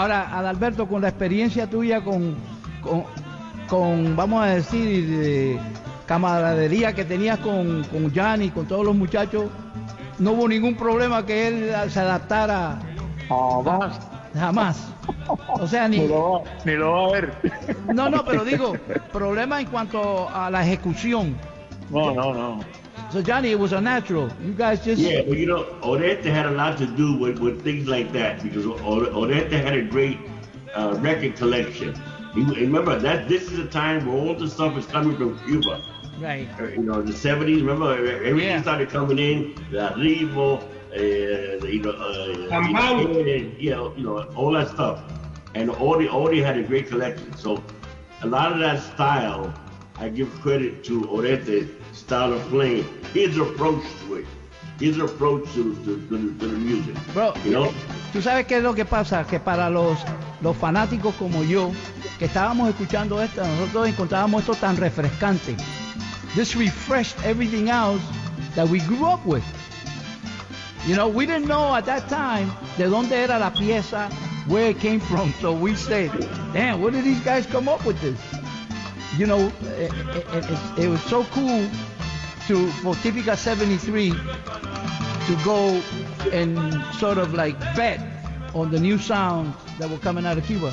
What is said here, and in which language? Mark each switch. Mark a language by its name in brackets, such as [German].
[Spanish] Alberto, con la experiencia tuya con vamos a decir, de camaradería que tenías con Jan y con todos los muchachos, ¿no hubo ningún problema que él se adaptara? Jamás. Jamás. O sea, ni... Ni lo va a ver. No, no, pero digo, problema en cuanto a la ejecución. No. [English] So, Johnny, it was a natural. You guys just... Yeah, well, you know, Odette had a lot to do with things like that, because Odette had a great record collection. Remember, that this is a time where all the stuff is coming from Cuba. Right. You know, the 70s, remember, everything started coming in, the Arrivo, all that stuff. And Odette had a great collection. So a lot of that style, I give credit to Odette's style of playing, his approach to the music. Bro, you know? [Spanish] Tú sabes qué es lo que pasa, que para los fanáticos como yo, que estábamos escuchando esto, nosotros encontrábamos esto tan refrescante. [English] This refreshed everything else that we grew up with. You know, we didn't know at that time [Spanish] de dónde era la pieza, [English] where it came from. So we said, damn, where did these guys come up with this? You know, it was so cool to for Típica 73 to go and sort of like bet on the new sound that were coming out of Cuba.